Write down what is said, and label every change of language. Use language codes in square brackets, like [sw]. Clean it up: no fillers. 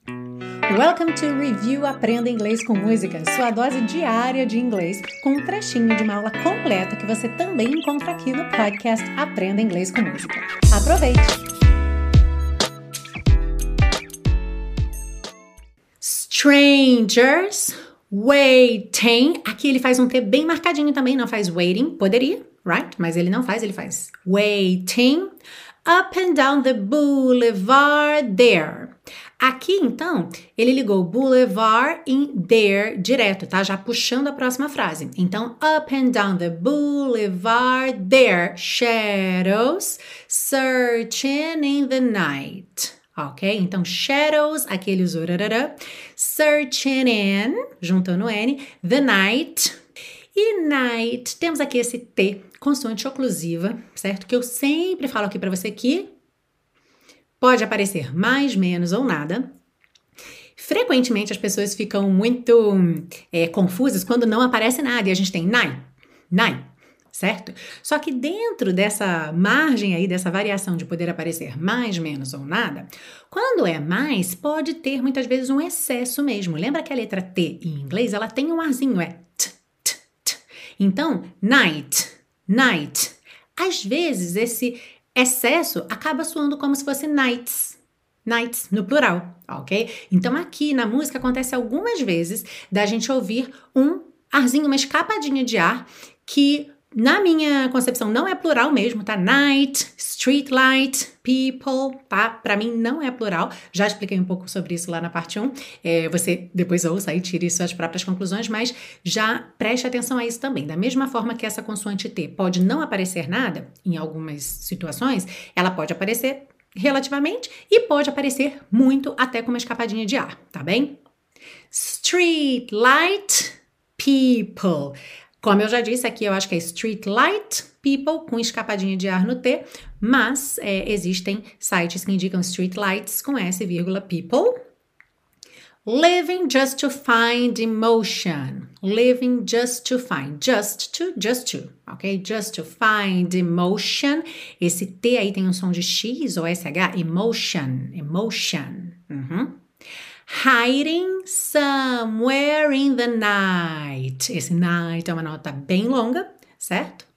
[pt] Welcome to Review Aprenda Inglês com Música, sua dose diária de inglês, com um trechinho de uma aula completa que você também encontra aqui no podcast Aprenda Inglês com Música. Aproveite! [en] Strangers waiting. [pt] Aqui ele faz um T bem marcadinho também, não faz waiting, poderia, right? Mas ele não faz, ele faz waiting. [en] Up and down the boulevard there. [pt] Aqui, então, ele ligou boulevard em there direto, tá? Já puxando a próxima frase. [en] Então, up and down the boulevard there. Shadows searching in the night. Ok? [pt] Então, shadows, aqui ele usou rarara. Searching in, juntando N, the night. E night, temos aqui esse T, consoante oclusiva, certo? Que eu sempre falo aqui pra você que pode aparecer mais, menos ou nada. Frequentemente as pessoas ficam muito confusas quando não aparece nada. E a gente tem night, night, certo? Só que dentro dessa margem aí, dessa variação de poder aparecer mais, menos ou nada, quando é mais, pode ter muitas vezes um excesso mesmo. Lembra que a letra T em inglês, ela tem um arzinho, é T, T, T. Então, night, night. Às vezes esse excesso acaba soando como se fosse nights, nights no plural, ok? Então aqui na música acontece algumas vezes da gente ouvir um arzinho, uma escapadinha de ar, que na minha concepção não é plural mesmo, tá? [en] Night, street light, people, tá? [pt] Pra mim não é plural, já expliquei um pouco sobre isso lá na parte 1, você depois ouça e tire suas próprias conclusões, mas já preste atenção a isso também. Da mesma forma que essa consoante T pode não aparecer nada em algumas situações, ela pode aparecer relativamente e pode aparecer muito até com uma escapadinha de ar, tá bem? [en] Street light, people. [pt] Como eu já disse, aqui eu acho que é street light, people, com escapadinha de ar no T, mas existem sites que indicam street lights com S, people. [en] Living just to find emotion. Living just to find. Just to, ok? Just to find emotion. [pt] Esse T aí tem um som de X ou SH, emotion, emotion. Uhum. [en] Hiding somewhere in the night. [pt] Esse night é uma nota bem longa, certo?